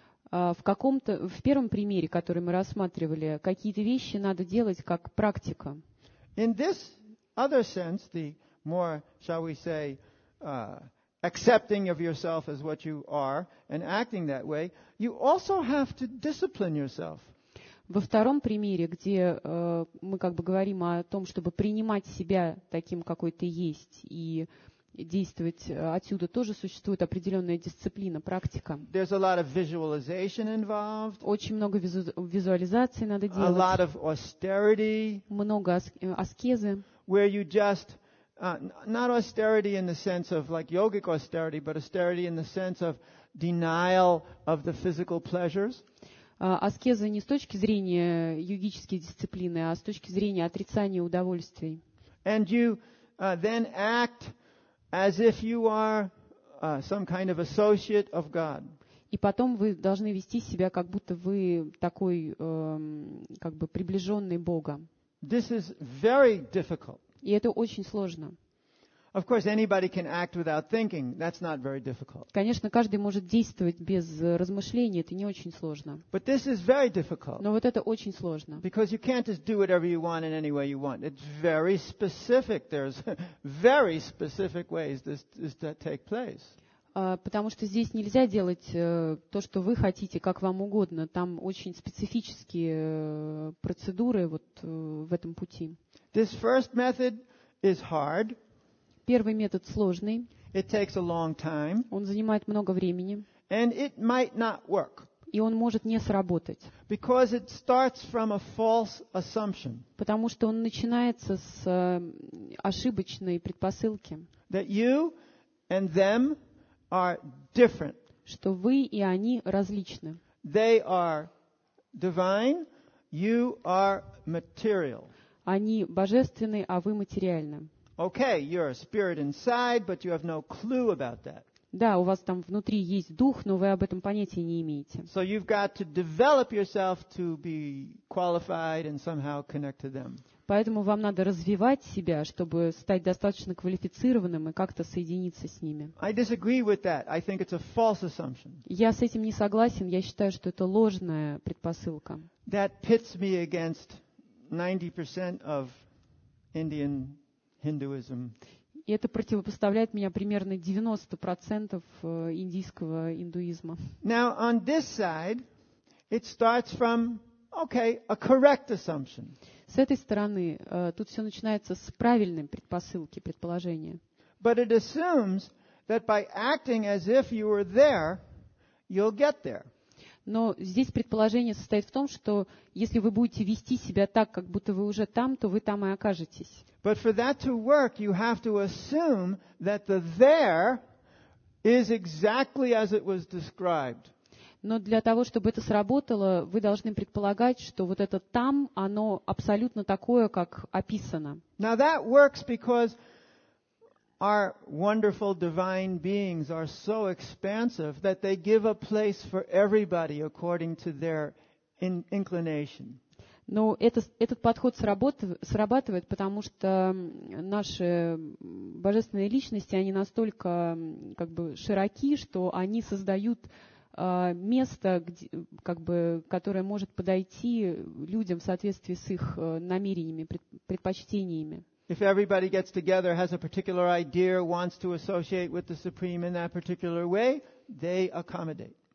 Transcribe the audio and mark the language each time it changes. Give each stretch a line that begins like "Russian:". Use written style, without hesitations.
Russian: В первом примере, который мы рассматривали, какие-то вещи надо делать как практика.
English: In this other sense, the more, shall we say, accepting of yourself as what you are and acting that way, you also have to discipline yourself.
Russian: Во втором примере, где мы как бы говорим о том, чтобы принимать себя таким, какой ты есть, и действовать отсюда, тоже существует определенная дисциплина, практика.
English: There's a lot of visualization involved.
Russian: Очень много визуализации надо делать.
English: A lot of austerity.
Russian: Много аскезы.
English: Where you just not austerity in the sense of like yogic austerity, but austerity in the sense of denial of the physical pleasures.
Russian: Аскеза не с точки зрения йогической дисциплины, а с точки зрения отрицания удовольствий.
English: And you then act as if you are some kind of associate of God.
Russian: И потом вы должны вести себя, как будто вы такой, как бы приближенный Бога.
English: This is very difficult.
Russian: И это очень сложно.
English: Of course, anybody can act without thinking. That's not very difficult.
Russian: Конечно, каждый может действовать без размышлений. Это не очень сложно.
English: But this is very difficult.
Russian: Но вот это очень сложно.
English: Because you can't just do whatever you want in any way you want. It's very specific. There's very specific ways this is to take place.
Russian: Потому что здесь нельзя делать то, что вы хотите, как вам угодно. Там очень специфические процедуры вот в этом пути.
English: This first method is hard.
Russian: Первый метод сложный.
English: It takes a long time.
Russian: Он занимает много времени.
English: And it might not work.
Russian: И он может не сработать.
English: Because it starts from a false assumption.
Russian: Потому что он начинается с ошибочной предпосылки.
English: That you and them are different.
Russian: Что вы и они различны.
English: They are divine, you are material.
Russian: Они божественны, а вы материальны.
English: Okay, you're a spirit inside, but you have no clue about that.
Russian: Да, у вас там внутри есть дух, но вы об этом понятия не имеете.
English: So you've got to develop yourself to be qualified and somehow connect to them.
Russian: Поэтому вам надо развивать себя, чтобы стать достаточно квалифицированным и как-то соединиться с ними.
English: I disagree with that. I think it's a false assumption.
Russian: Я с этим не согласен. Я считаю, что это ложная предпосылка.
English: That pits me against 90% of Indian Hinduism.
Russian: И это противопоставляет меня примерно 90% индийского индуизма.
English: Now on this side, it starts from, okay, a correct assumption.
Russian: С этой стороны, тут все начинается с правильной предпосылки, предположения.
English: But it assumes that by acting as if you were there, you'll get there.
Russian: Но здесь предположение состоит в том, что если вы будете вести себя так, как будто вы уже там, то вы там и окажетесь.
English: But for that to work, you have to assume that the there is exactly as it was described.
Russian: Но для того, чтобы это сработало, вы должны предполагать, что вот это там, оно абсолютно такое, как описано.
English: Now that works because our wonderful divine beings are so expansive that they give a place for everybody according to their inclination.
Russian: Но этот подход срабатывает, потому что наши божественные личности, они настолько как бы широки, что они создают место, где, как бы, которое может подойти людям в соответствии с их намерениями, предпочтениями.
English: If everybody gets together, has a particular idea, wants to associate with the Supreme in that particular way, they accommodate.